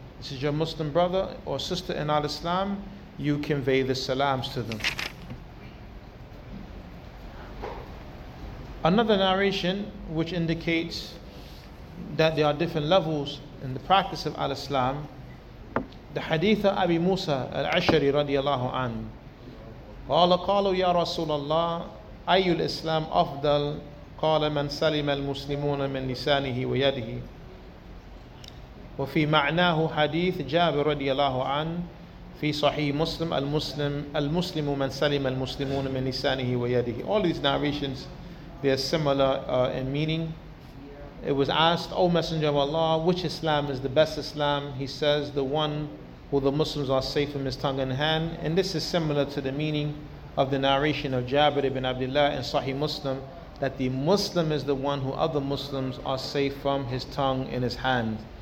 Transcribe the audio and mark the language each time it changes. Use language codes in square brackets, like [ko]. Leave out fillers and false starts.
[en] This is your Muslim brother or sister in al-Islam, you convey the salams to them. Another narration which indicates that there are different levels in the practice of al-Islam, the hadith of Abi Musa al-Ashari radiallahu anhu. [ar] قال قالوا يا رسول الله أي الإسلام أفضل قال من سلم المسلمون من لسانه ويده وفي معناه حديث جابر رضي الله عنه في صحيح مسلم المسلم من سلم المسلمون من لسانه ويده. [en] All these narrations, they are similar in meaning. It was asked, O Messenger of Allah, which Islam is the best Islam? He says, the one who the Muslims are safe from his tongue and hand. And this is similar to the meaning of the narration of Jabir ibn Abdullah in Sahih Muslim, that the Muslim is the one who other Muslims are safe from his tongue and his hand.